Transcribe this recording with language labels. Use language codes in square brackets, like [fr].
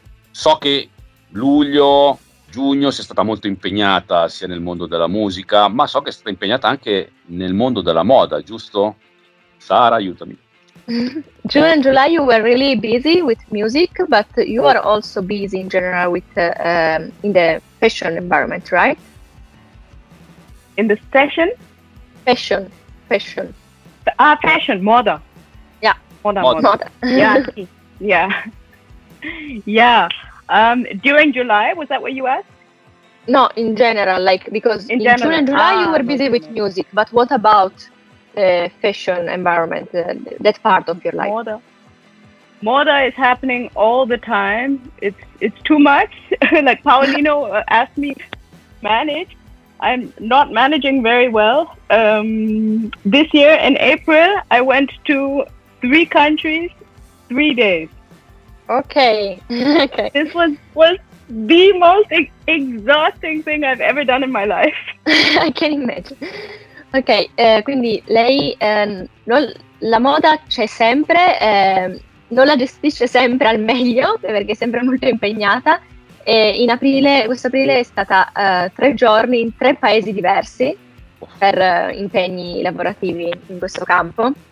[it] So che luglio, giugno sei stata molto impegnata sia nel mondo della musica, ma so che sei stata impegnata anche nel mondo della moda, giusto? Sara, aiutami. [en] June and July you were really busy with music, but you are also busy in general with in the fashion environment, right? In the fashion? Fashion. Fashion, moda. Yeah, moda. Yeah. During July, was that what you asked? No, in general, like, because in general, June and July you were busy with music, but what about the fashion environment, that part of your life? Moda is happening all the time. It's too much. Like Paolino asked me manage. I'm not managing very well. This year in April, I went to 3 countries, 3 days. Okay. This was the most exhausting thing I've ever done in my life. I can imagine. [it] Okay, quindi lei non, la moda c'è sempre, non la gestisce sempre al meglio, perché è sempre molto impegnata. E in aprile, questo aprile è stata 3 giorni in 3 paesi diversi per impegni lavorativi in questo campo.